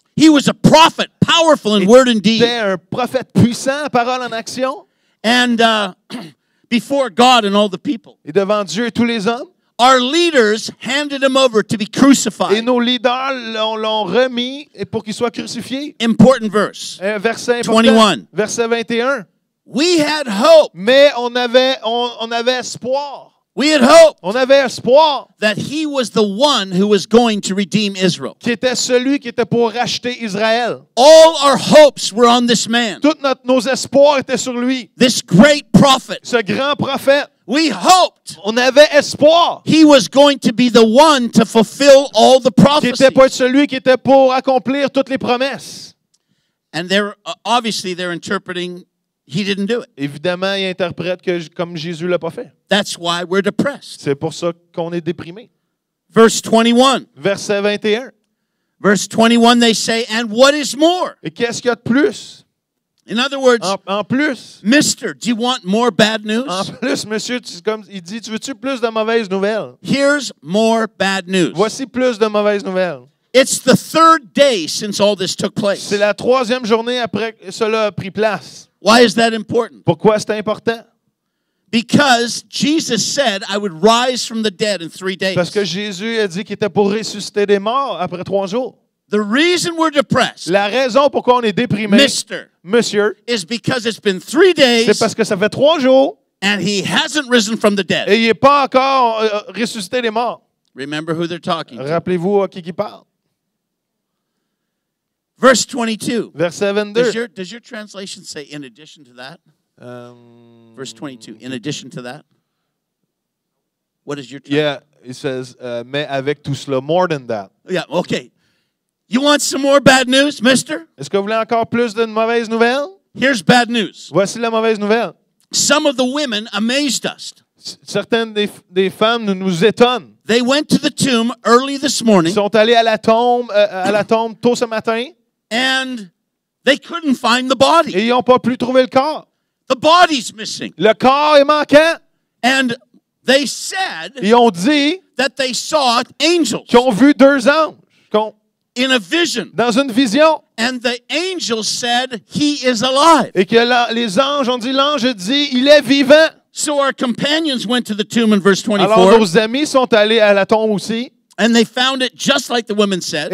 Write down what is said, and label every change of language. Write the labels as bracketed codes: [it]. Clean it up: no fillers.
[en] He was a prophet, powerful in word and deed. [fr] Il était un prophète puissant, parole en action. [en] And before God and all the people. [fr] Et devant Dieu et tous les hommes. [en] Our leaders handed him over to be crucified. [fr] Et nos leaders l'ont remis pour qu'il soit crucifié. [en] Important verse. [fr] Verset important. 21. Verset 21. [en] We had hope. [fr] Mais on avait espoir. [en] We had hope. [fr] On avait espoir. [en] That he was the one who was going to redeem Israel. [fr] Qui était celui qui était pour racheter Israël. [en] All our hopes were on this man. [fr] Toutes nos espoirs étaient sur lui. [en] This great prophet. [fr] Ce grand prophète. [en] We hoped. [fr] On avait espoir. [en] He was going to be the one to fulfill all the prophecies. [fr] Qui était pour être celui qui était pour accomplir toutes les promesses. [en] And they're interpreting. He didn't do it. [fr] Évidemment, il interprète que comme Jésus l'a pas fait. [en] That's why we're depressed. [fr] C'est pour ça qu'on est déprimé. [en] Verse 21. [fr] Verset 21. [en] Verse 21, they say, and what is more? [fr] Et qu'est-ce qu'il y a de plus? [en] In other words, [fr] en plus, [en] Mister, do you want more bad news? [fr] En plus, monsieur, il dit, tu veux-tu plus de mauvaises nouvelles? [en] Here's more bad news. [fr] Voici plus de mauvaises nouvelles. [en] It's the third day since all this took place. [fr] C'est la troisième journée après que cela a pris place. [en] Why is that important? [fr] Pourquoi c'est important? [en] Because Jesus said I would rise from the dead in 3 days. [fr] Parce que Jésus a dit qu'il était pour ressusciter des morts après 3 jours. [en] The reason we're depressed. [fr] La raison pourquoi on est déprimé. [en] Mister. [fr] Monsieur. [en] Is because it's been 3 days. [fr] C'est parce que ça fait 3 jours. [en] And he hasn't risen from the dead. [fr] Et il n'est pas encore ressuscité des morts. [en] Remember who they're talking to. [fr] Rappelez-vous à qui parle. [en] Verse 22. [fr] Verset 22. [en] Does your translation say in addition to that? Verse 22. In addition to that. What is your translation? Yeah, it says, [fr] mais avec tout cela, [en] more than that. Yeah, okay. You want some more bad news, mister? [fr] Est-ce que vous voulez encore plus d'une mauvaise nouvelle? [en] Here's bad news. [fr] Voici la mauvaise nouvelle. [en] Some of the women amazed us. [fr] Certaines des femmes nous étonnent. [en] They went to the tomb early this morning. [fr] Ils sont allés à la tombe tôt ce matin. [en] And they couldn't find the body. [fr] Et ils n'ont pas pu trouver le corps. [en] The body's missing. [fr] Le corps est manquant. [en] And They said [fr] ils ont dit [en] that they saw angels. [fr] Qu'ils ont vu deux anges. Qu'ont [en] in a vision. [fr] Dans une vision. [en] And the angel said, he is alive. [fr] Et que la, les anges ont dit, l'ange dit, il est vivant. [en] So our companions went to the tomb in verse 24. [fr] Alors nos amis sont allés à la tombe aussi. [en] And they found it just like the women said.